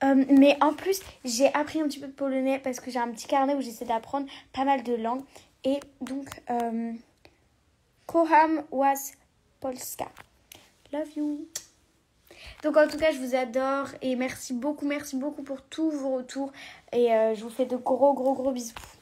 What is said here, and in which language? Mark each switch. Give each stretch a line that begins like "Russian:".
French: Mais en plus, j'ai appris un petit peu de polonais parce que j'ai un petit carnet où j'essaie d'apprendre pas mal de langues. Et donc,
Polish: Kocham was Polska.
English: Love you.
French: Donc en tout cas, je vous adore et merci beaucoup pour tous vos retours. Et je vous fais de gros gros gros bisous.